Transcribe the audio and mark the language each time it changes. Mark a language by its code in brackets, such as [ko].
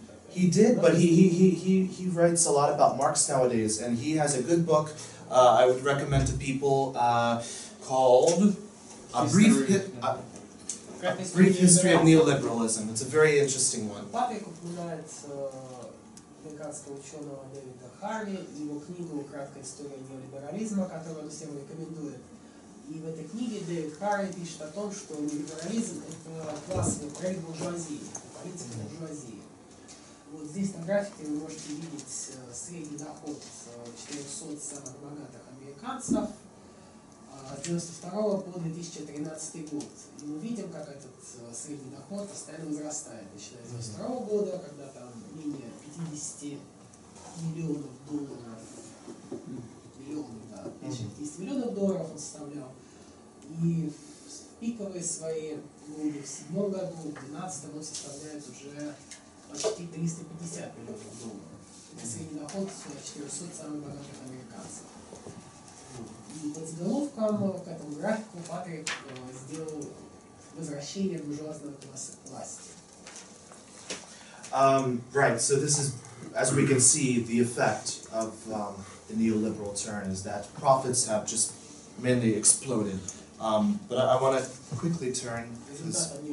[en] He did, but he writes a lot about Marx nowadays, and he has a good book I would recommend to people called A Brief History of Neoliberalism. It's a very interesting one. [ru] Patrick упоминает американского ученого Дэвида Харви, его книгу «Краткая история неолиберализма», которую он всем рекомендует. И в этой книге Дэвид Харви пишет о том, что неолиберализм — это классовый проект буржуазии, политика буржуазии. Вот здесь на графике вы можете видеть средний доход 400 самых богатых американцев с 92 по 2013 год. И мы видим, как этот средний доход постоянно возрастает, начиная с 92 года, когда там менее 50 миллионов долларов, миллионов долларов он составлял. И в пиковые свои годы, в 7 году, в 12 он составляет уже почти 350 миллионов долларов. Это средний доход 400 самых богатых американцев. И под заголовком к этому графику Патрик сделал возвращение буржуазного класса к власти. [en] Right, so this is, as we can see, the effect of the neoliberal turn is that profits have just mainly exploded. But I want to quickly turn this.